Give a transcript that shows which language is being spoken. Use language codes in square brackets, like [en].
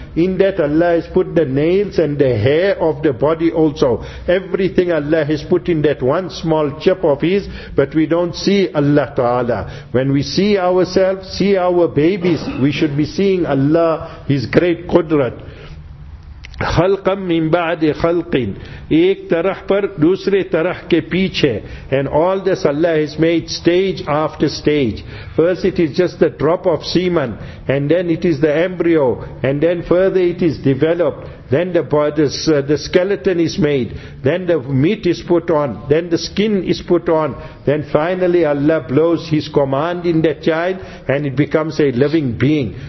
[en] In that Allah has put the nails and the hair of the body also. Everything Allah has put in that one small chip of His, but we don't see Allah Ta'ala. When we see ourselves, see our babies, we should be seeing Allah, His great Qudrat. [ar] خلقم من بعد خلق. [ur] ایک طرح پر دوسرے طرح کے پیچھے. [en] And all this Allah has made stage after stage. First it is just the drop of semen, and then it is the embryo, and then further it is developed. Then the skeleton is made. Then the meat is put on. Then the skin is put on. Then finally Allah blows His command in that child, and it becomes a living being.